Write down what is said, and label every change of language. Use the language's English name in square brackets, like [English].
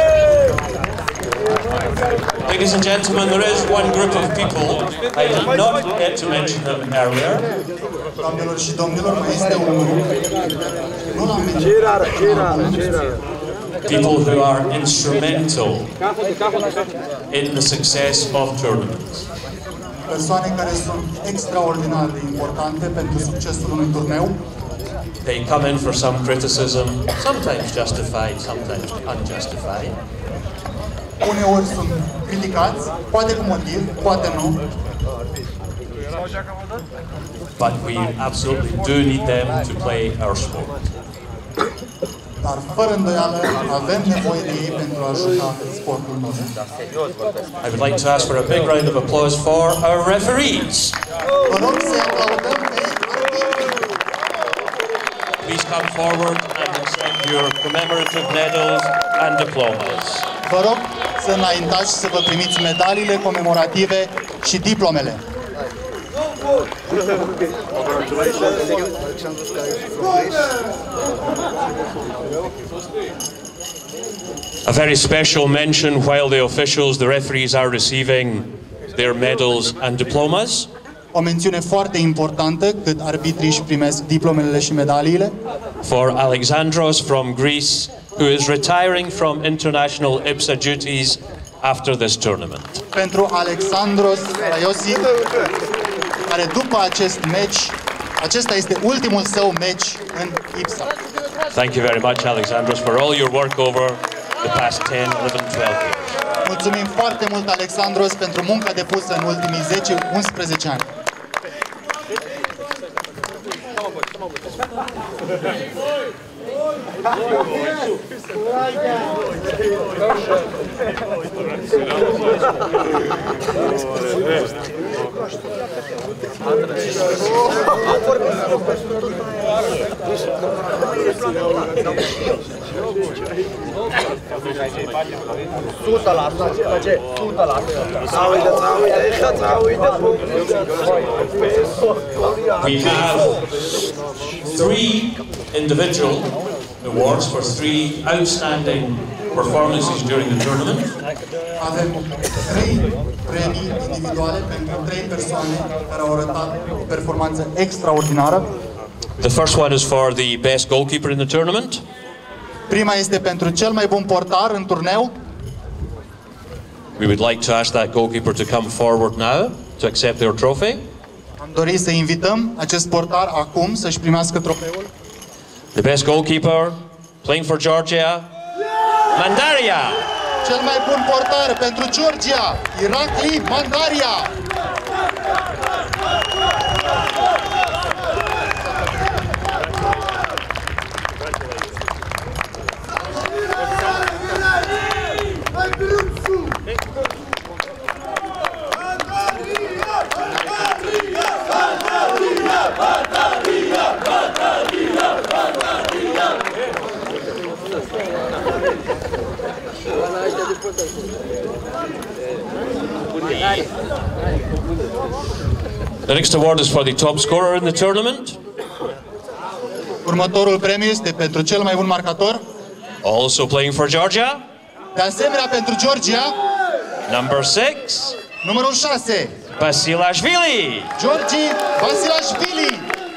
[English] Ladies and gentlemen, there is one group of people I did not get to mention them earlier. [Romanian] Doamnelor și domnilor, mai este un grup. [English] People who are instrumental in the success of tournaments. [Romanian] Persoane care sunt extraordinar de importante pentru succesul unui turneu. [English] They come in for some criticism, sometimes justified, sometimes unjustified. [Romanian] Uneori sunt criticați, poate cu motiv, poate nu. [English] But we absolutely do need them to play our sport. [Romanian] Dar fără îndoială avem nevoie de ei pentru a juca sportul nostru. [English] I would like to ask for a big round of applause for our referees. [Romanian] Vă rog să aplaudăm pe arbitri. [English] Please come forward and extend your commemorative medals and diplomas. [Romanian] Vă rog să înaintați să vă primiți medaliile comemorative și diplomele. [English] A very special mention while the officials, the referees are receiving their medals and diplomas. [Romanian] O mențiune foarte importantă cât arbitrii își primesc diplomele și medaliile. [English] For Alexandros from Greece, who is retiring from international IPSA duties after this tournament. [Romanian] Pentru Alexandros Raiosi, care după acest meci, acesta este ultimul său meci în IPSA. [English] Thank you very much, Alexandros, for all your work over the past 10, 11, 12 years. [Romanian] Mulțumim foarte mult, Alexandros, pentru munca depusă în ultimii 10, 11 ani. [English] Come on, boys. Come on, boys. We have three individual awards for three outstanding performances during the tournament. [Romanian] Avem trei premii individuale pentru trei persoane care au arătat o performanță extraordinară. [English] The first one is for the best goalkeeper in the tournament. [Romanian] Prima este pentru cel mai bun portar în turneu. [English] We would like to ask that goalkeeper to come forward now to accept their trophy. [Romanian] Am dori să invităm acest portar acum să-și primească trofeul. [English] The best goalkeeper playing for Georgia. Mandaria. [Romanian] Cel mai bun portar pentru Georgia, Irakli Mandaria. [English] The next award is for the top scorer in the tournament. [Romanian] Următorul premiu este pentru cel mai bun marcator. [English] Also playing for Georgia. [Romanian] De asemenea pentru Georgia. [English] Number 6. [Romanian] Numărul 6. [English] Basilashvili. [Romanian] Georgi Basilashvili.